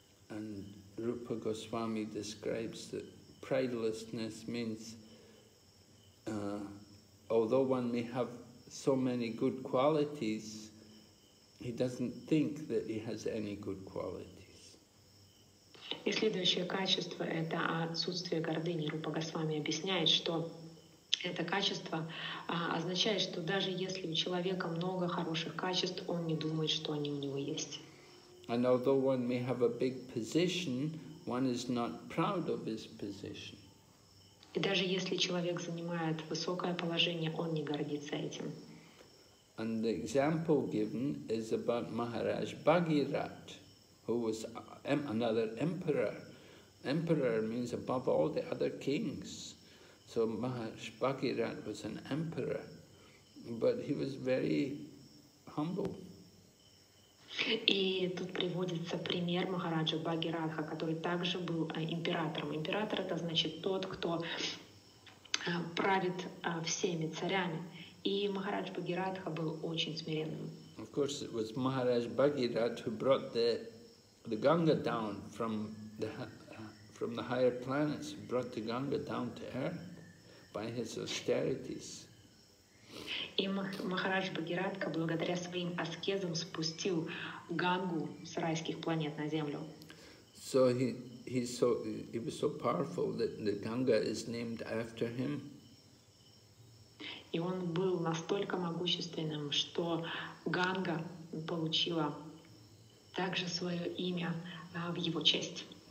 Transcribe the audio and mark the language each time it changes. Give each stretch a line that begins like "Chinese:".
English: And Rupa Goswami describes that pridelessness means although one may have so many good qualities, he doesn't think that he has any good qualities.
Russian: И следующее качество – это отсутствие гордыни. Рупа Госвами объясняет, что это качество означает, что даже если у человека много хороших качеств, он не думает, что они у него есть.
English: And although one may have a big position, one is not proud of his position.
Russian: И даже если человек занимает высокое положение, он не гордится этим.
English: And the example given is about Maharaj Bhagirath, who was another emperor, Emperor means above all the other kings. So Maharishi Bhagirat was an emperor, but he was very humble.
Russian: И тут приводится пример Махараджа Бхагиратха, который также был императором. Император — это значит тот, кто правит всеми царями. И Махарадж Бхагиратха был очень смиренным.
English: Of course, it was Maharaj Bhagirat who brought the Ganga down from the higher planets, brought the Ganga down to earth by his austerities.
Russian: И Махарадж Бхагиратха благодаря своим аскезам спустил Гангу с райских планет на землю.
English: So he was so powerful that the Ganga is named after him.
Russian: И он был настолько могущественным, что Ганга получила также свое имя в его честь.